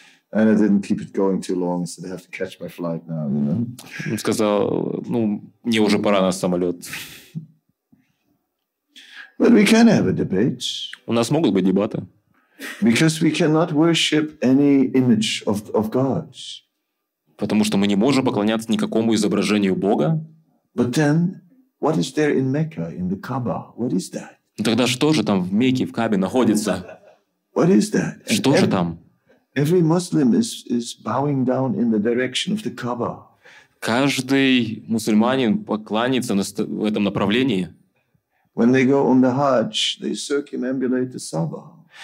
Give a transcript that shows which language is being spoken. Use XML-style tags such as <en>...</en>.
<en>And I didn't keep it going too long, so I have to catch my flight now, you know.</en> <ru>Он сказал, ну мне уже пора на самолет.</ru> <en>But we can have a debate.</en> <ru>У нас могут быть дебаты.</ru> <en>Because we cannot worship any image of God.</en> <ru>Потому что мы не можем поклоняться никакому изображению Бога.</ru> <en>But then, what is there in Mecca, in the Kaaba? What is that?</en> <ru>Тогда что же там в Мекке, в Каабе находится?</ru> <en>What is that?</en> <ru>Что же там?</ru> <en>Every Muslim is bowing down in the direction of the Kaaba.</en> <ru>Каждый мусульманин поклонится в этом направлении.</ru> <en>When they go on the Hajj, they circumambulate the Saba.</en>